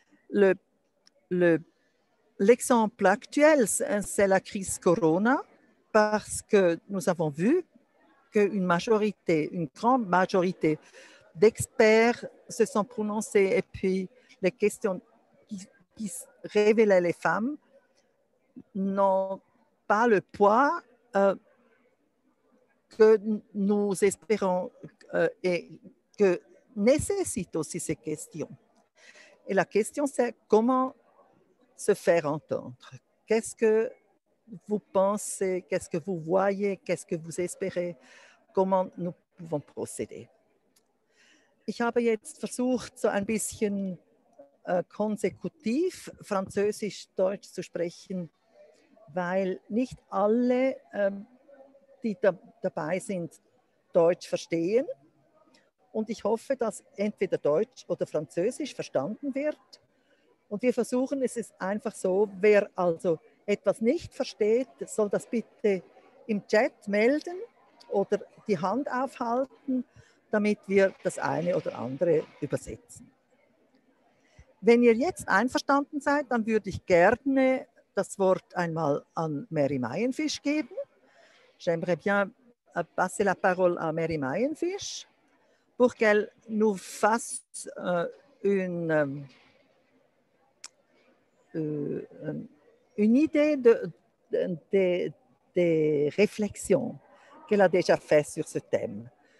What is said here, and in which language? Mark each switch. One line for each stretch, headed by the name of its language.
French: L'exemple actuel, c'est la crise Corona, parce que nous avons vu qu'une majorité, une grande majorité d'experts se sont prononcés et puis les questions qui révélaient les femmes n'ont pas le poids que nous espérons et que nécessitent aussi ces questions. Et la question, c'est comment se faire entendre? Qu'est-ce que vous pensez, qu'est-ce que vous voyez, qu'est-ce que vous espérez, comment nous pouvons procéder.
German: Ich habe jetzt versucht, so ein bisschen konsekutiv Französisch-Deutsch zu sprechen, weil nicht alle, die dabei sind, Deutsch verstehen. Und ich hoffe, dass entweder Deutsch oder Französisch verstanden wird. Und wir versuchen, es ist einfach so, wer also etwas nicht versteht, soll das bitte im Chat melden oder die Hand aufhalten, damit wir das eine oder andere übersetzen. Wenn ihr jetzt einverstanden seid, dann würde ich gerne das Wort einmal an Mary Mayenfisch geben.
French: J'aimerais bien passer la parole à Mary Mayenfisch pour qu'elle nous fasse une idée de réflexions qu'elle a déjà fait sur ce thème.